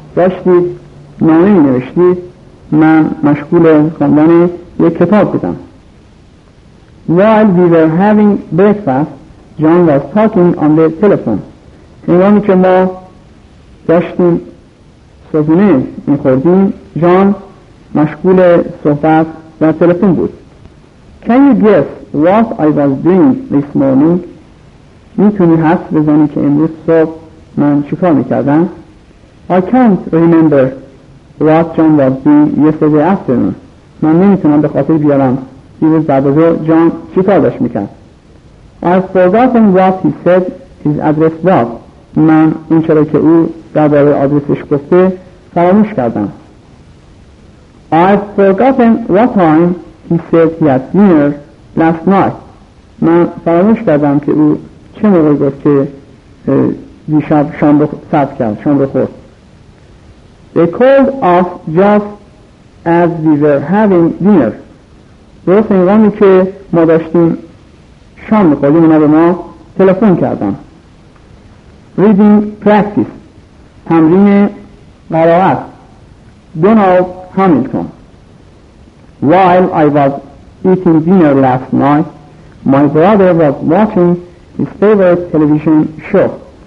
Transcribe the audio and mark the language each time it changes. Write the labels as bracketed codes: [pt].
[fa] داشتید نامه می نوشتید من مشغول خواندن یک کتاب بودم. [en] While we were having breakfast, John was talking on the telephone. [fa] هنگامی که ما داشتیم صبحانه می خوردیم جان مشغول صحبت در تلفن بود. [en] Can you guess what I was doing this morning? [fa] میتونی حس بزنی که امروز صبح من چیکار میکردم؟ [en] I can't remember what John was doing yesterday afternoon. [fa] من نمیتونم به خاطر بیارم دیروز بعد از ظهر جان چیکار داشت میکرد. [en] I've forgotten what he said his address was. [fa] من اون چرا که او درباره آدرسش گفته فراموش کردم. [en] I've forgotten what time he said he had dinner last night. [fa] من فراموش کردم که او چه موقع گفت که دیشب شام رو صرف کرد، شام رو خورد. [en] They called off just as we were having dinner. [fa] درست اینگامی که ما داشتیم شام میخوردیم اونا به ما تلفن کردن. [en] Reading practice. [fa] تمرین قرائت. [en] Donald Hamilton. While I was eating dinner last night, my brother was watching his favorite television show.